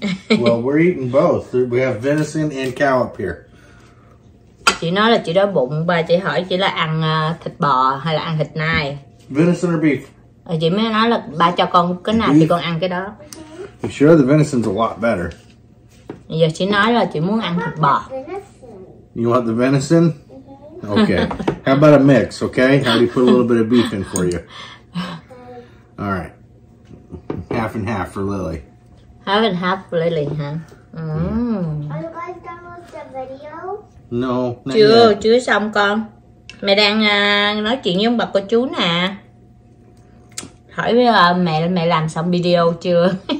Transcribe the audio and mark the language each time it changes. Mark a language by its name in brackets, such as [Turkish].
[English] Well, we're eating both. We have venison and cow up here. [Vietnamese] Chị nói là chị đói bụng. Ba chị hỏi chị là ăn thịt bò hay là ăn thịt nai. [English] Venison or beef? [Vietnamese] Chị mới nói là ba cho con cái nào thì con ăn cái đó. [English] You sure the venison's a lot better? [Vietnamese] Giờ chị nói là chị muốn ăn thịt bò. [English] You want the venison? Okay. How about a mix, okay? How do you put a little bit of beef in for you? All right. Half and half for Lily. Half and half for Lily, huh? Mm. Are you guys done with the video? No. [Vietnamese] Chưa xong con. Mẹ đang nói chuyện với ông bà cô chú nè. Hỏi với mẹ làm xong video chưa?